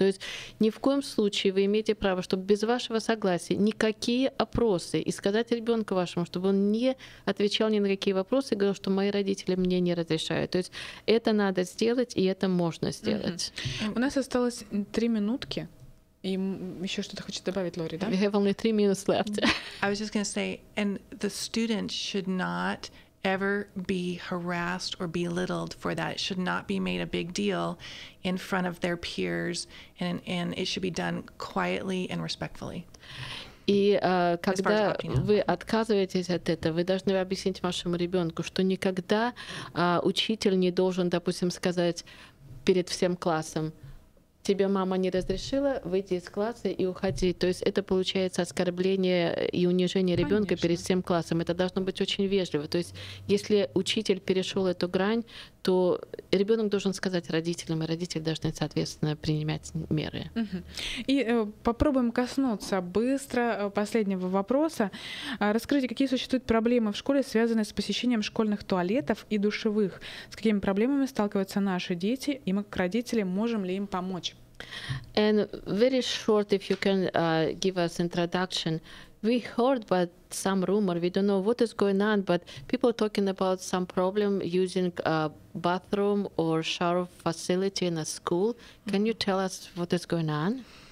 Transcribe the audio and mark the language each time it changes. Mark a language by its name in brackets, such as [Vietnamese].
[Russian] То есть ни в коем случае вы имеете право, чтобы без вашего согласия никакие опросы, и сказать ребенку вашему, чтобы он не отвечал ни на какие вопросы, и говорил, что мои родители мне не разрешают. То есть это надо сделать, и это можно сделать. У нас осталось 3 минутки. И еще что-то хочет добавить Лори, да? [English] We have only 3 minutes left. I was just going to say, and the student should not ever be harassed or belittled for that. It should not be made a big deal in front of their peers, and it should be done quietly and respectfully. [Russian] И когда вы отказываетесь от этого, вы должны объяснить вашему ребенку, что никогда учитель не должен, допустим, сказать перед всем классом, тебе мама не разрешила выйти из класса и уходить. То есть это получается оскорбление и унижение ребенка перед всем классом. Это должно быть очень вежливо. То есть если учитель перешел эту грань, то ребенок должен сказать родителям, и родители должны, соответственно, принимать меры. И попробуем коснуться быстро последнего вопроса. Расскажите, какие существуют проблемы в школе, связанные с посещением школьных туалетов и душевых? С какими проблемами сталкиваются наши дети, и мы, как родители, можем ли им помочь? [English] And very short, if you can give us introduction. We heard about some rumor. We don't know what is going on, but people are talking about some problem using a bathroom or shower facility in a school. Can you tell us what is going on?